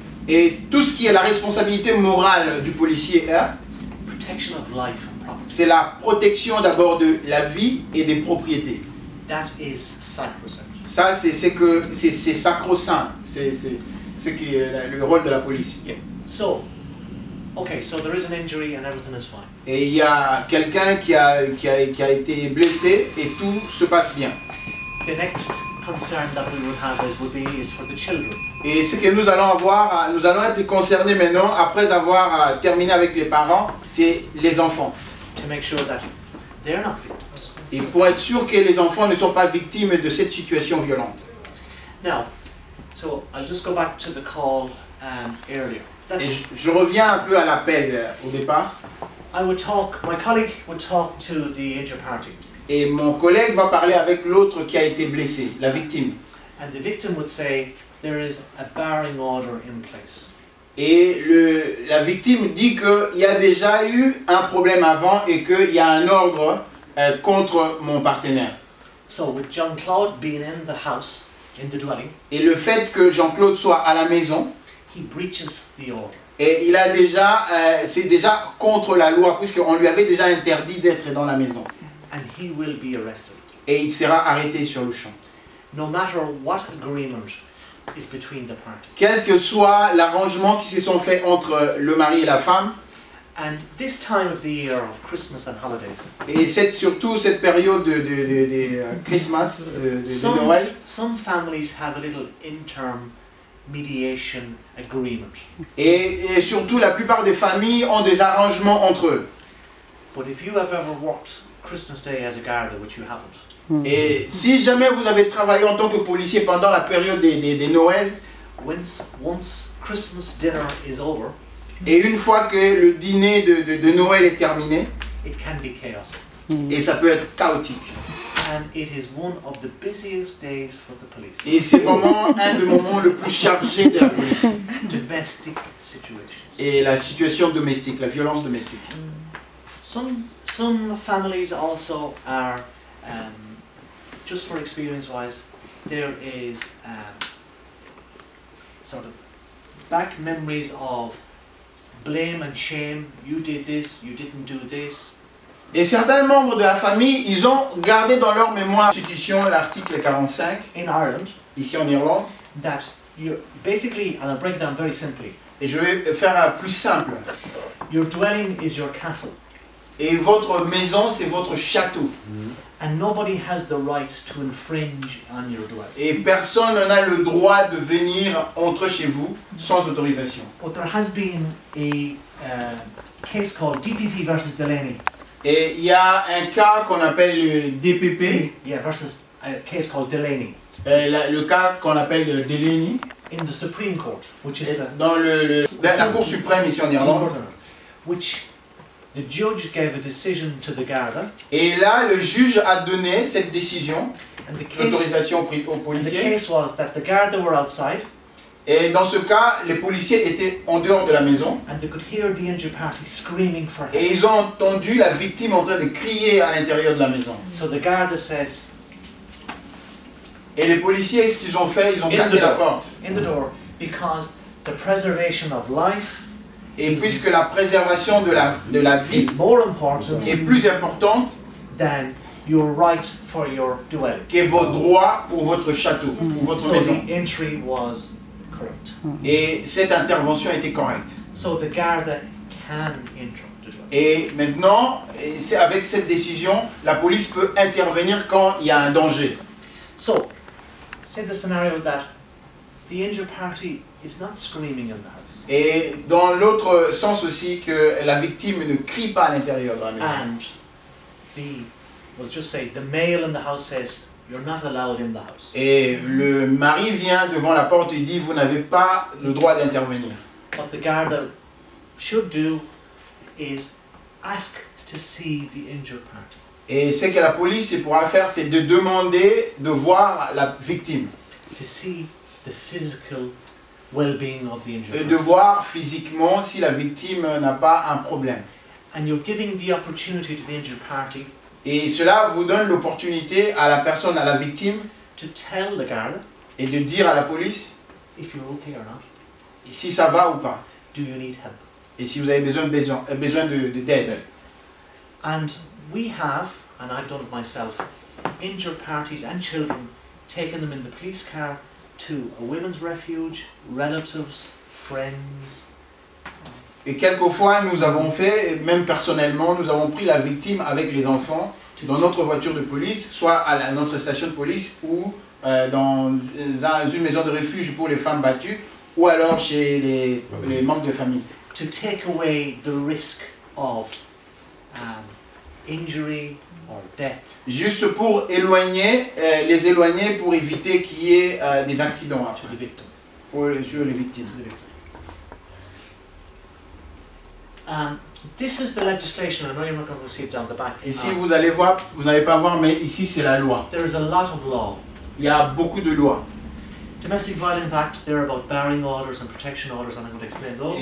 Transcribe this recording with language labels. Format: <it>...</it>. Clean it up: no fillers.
<fr>Et tout ce qui est la responsabilité morale du policier est.</fr> <en>Protection of life and</en> <fr>C'est la protection d'abord de la vie et des propriétés.</fr> <en>That is sacrosanct.</en> <fr>Ça, c'est sacro-saint. C'est ce qui est le rôle de la police.</fr> <en>Yeah. So, okay, so there is an injury and everything is fine.</en> <fr>Et il y a quelqu'un qui a été blessé et tout se passe bien.</fr> <en>The next concern that we would have is for the children.</en> <fr>Et ce que nous allons avoir, nous allons être concernés maintenant, après avoir terminé avec les parents, c'est les enfants.</fr> <en>To make sure that they are not victims.</en> <fr>Et pour être sûr que les enfants ne sont pas victimes de cette situation violente.</fr> <en>Now, so I'll just go back to the call earlier.</en> <fr>Je reviens un peu à l'appel au départ.</fr> <en>I would talk. My colleague would talk to the injured party.</en> <fr>Et mon collègue va parler avec l'autre qui a été blessé, la victime.</fr> <en>And the victim would say there is a barring order in place.</en> <fr>Et la victime dit que il y a déjà eu un problème avant et que il y a un ordre contre mon partenaire.</fr> <en>So with Jean-Claude being in the house, in the dwelling.</en> <fr>Et le fait que Jean-Claude soit à la maison.</fr> <en>He breaches the order.</en> <fr>Et il a déjà, c'est déjà contre la loi, puisqu'on lui avait déjà interdit d'être dans la maison.</fr> <en>And he will be arrested.</en> <fr>Et il sera arrêté sur le champ.</fr> <en>No matter what agreement is between the parties.</en> <fr>Quel que soit l'arrangement qui se sont fait entre le mari et la femme.</fr> <en>And this time of the year of Christmas and holidays.</en> <fr>Et surtout cette période de Christmas, de Noël.</fr> <en>Some families have a little interim mediation agreement.</en> <fr>Et surtout, la plupart des familles ont des arrangements entre eux.</fr> <en>But if you have ever worked Christmas Day as a guard, which you haven't.</en> <fr>Et si jamais vous avez travaillé en tant que policier pendant la période des Noël.</fr> <en>Once Christmas dinner is over.</en> <fr>Et une fois que le dîner de Noël est terminé.</fr> <en>It can be chaos.</en> <fr>Et ça peut être chaotique.</fr> <en>And it is one of the busiest days for the police.</en> <fr>Et c'est vraiment un des moments le plus chargé de la police.</fr> <en>Domestic situations.</en> <fr>Et la situation domestique, la violence domestique.</fr> <en>Some families also are, just for experience wise, there is sort of back memories of blame and shame. You did this, you didn't do this.</en> <fr>Et certains membres de la famille, ils ont gardé dans leur mémoire l'institution, l'article 45,</fr> <en>in Ireland,</en> <fr>ici en Irlande,</fr> <en>that you're basically, and I'll break it down very simply.</en> <fr>Et je vais faire un plus simple.</fr> <en>Your dwelling is your castle.</en> <fr>Et votre maison, c'est votre château.</fr> <en>And nobody has the right to infringe on your dwelling.</en> <fr>Et personne n'a le droit de venir entrer chez vous sans autorisation.</fr> <en>But there has been a case called DPP versus Delaney.</en> <fr>Et il y a un cas qu'on appelle le DPP.</fr> <en>Yeah, versus a case called Delaney.</en> <fr>Le cas qu'on appelle Delaney.</fr> <en>In the Supreme Court, which is</en> <fr>la Cour suprême ici en Irlande.</fr> <en>Which the judge gave a decision to the Garda.</en> <fr>Et là, le juge a donné cette décision, l'autorisation aux policiers.</fr> <en>And the case was that the Garda were outside.</en> <fr>Et dans ce cas, les policiers étaient en dehors de la maison.</fr> <en>And they could hear the injured party screaming for help.</en> <fr>Et ils ont entendu la victime en train de crier à l'intérieur de la maison.</fr> <en>So the Garda says.</en> <fr>Et les policiers, ce qu'ils ont fait, ils ont cassé la porte.</fr> <en>In the door, because the preservation of life.</en> <fr>Et puisque la préservation de la vie</fr> <en>is more important</en> <fr>est plus importante</fr> <en>than your right for your dwelling.</en> <fr>Que vos droits pour votre château, pour votre</fr> <en>so</en> <fr>maison.</fr> <en>The entry was correct.</en> <fr>Et cette intervention était correcte.</fr> <en>So the Garda can enter.</en> <fr>Et maintenant, c'est avec cette décision, la police peut intervenir quand il y a un danger.</fr> <en>So, say the scenario that the injured party is not screaming in the house.</en> <fr>Et dans l'autre sens aussi, que la victime ne crie pas à l'intérieur de la maison.</fr> <en>And we'll just say the male in the house says you're not allowed in the house.</en> <fr>Et le mari vient devant la porte et dit vous n'avez pas le droit d'intervenir.</fr> <en>What the garda should do is ask to see the injured party.</en> <fr>Et ce que la police pourra faire, c'est de demander de voir la victime.</fr> <en>To see the physical well-being of the injured.</en> <fr>Et de voir physiquement si la victime n'a pas un problème.</fr> <en>And you're giving the opportunity to the injured party.</en> <fr>Et cela vous donne l'opportunité à la personne, à la victime,</fr> <en>to tell the guard,</en> <fr>et de dire à la police</fr> <en>if you're okay or not.</en> <fr>Et si ça va ou pas.</fr> <en>Do you need help?</en> <fr>Et si vous avez besoin d'aide.</fr> <en>And we have, and I've done it myself, injured parties and children, taken them in the police car to a women's refuge, relatives, friends.</en> <fr>Et quelquefois, nous avons fait, même personnellement, nous avons pris la victime avec les enfants dans notre voiture de police, soit à notre station de police ou dans une maison de refuge pour les femmes battues, ou alors chez les membres de famille.</fr> <en>To take away the risk of injury or death.</en> <fr>Juste pour éloigner, pour éviter qu'il y ait des accidents après, sur les victimes.</fr> <en>This is the legislation. I know you're not going to see it down the back.</en> <fr>Ici, vous allez voir, vous n'allez pas voir, mais ici, c'est la loi.</fr> <en>There is a lot of law.</en> <fr>Il y a beaucoup de lois.</fr> <en>Domestic violence acts. They're about barring orders and protection orders, and I'm going to explain those.</en>